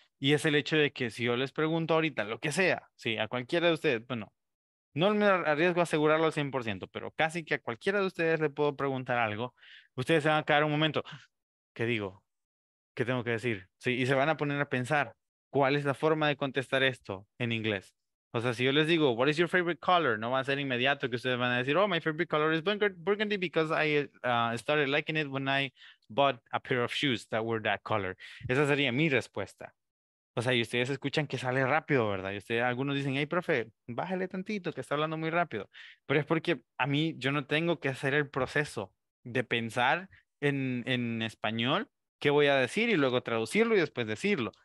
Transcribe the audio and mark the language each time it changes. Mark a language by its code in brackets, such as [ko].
[es] Y es el hecho de que si yo les pregunto ahorita, lo que sea, sí, a cualquiera de ustedes, bueno, no me arriesgo a asegurarlo al 100%, pero casi que a cualquiera de ustedes le puedo preguntar algo, ustedes se van a quedar un momento, ¿qué digo? ¿Qué tengo que decir? Sí, y se van a poner a pensar, ¿cuál es la forma de contestar esto en inglés? O sea, si yo les digo, [en] what is your favorite color? [es] No va a ser inmediato que ustedes van a decir, [en] oh, my favorite color is burgundy because I started liking it when I bought a pair of shoes that were that color. [es] Esa sería mi respuesta. O sea, y ustedes escuchan que sale rápido, ¿verdad? Y ustedes, algunos dicen, hey, profe, bájale tantito, que está hablando muy rápido. Pero es porque a mí, yo no tengo que hacer el proceso de pensar en español qué voy a decir y luego traducirlo y después decirlo.